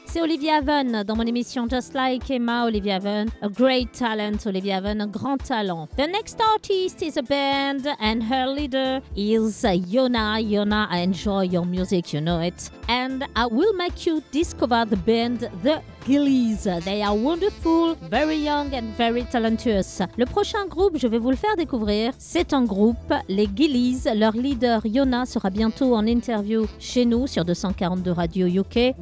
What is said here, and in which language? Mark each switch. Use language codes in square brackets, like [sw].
[fr] C'est Olivier Haven dans mon émission Just Like Emma, Olivier Haven. [en] A great talent, Olivier Haven, [fr] un grand talent. [en] The next artist is a band and her leader is Yona. Yona, I enjoy your music, you know it. And I will make you discover the band The Gillies. They are wonderful, very young and very talentous. [fr] Le prochain groupe, je vais vous le faire découvrir, c'est un groupe, les Gillies. Leur leader, Yona, sera bientôt en interview chez nous sur 242 Radio UK.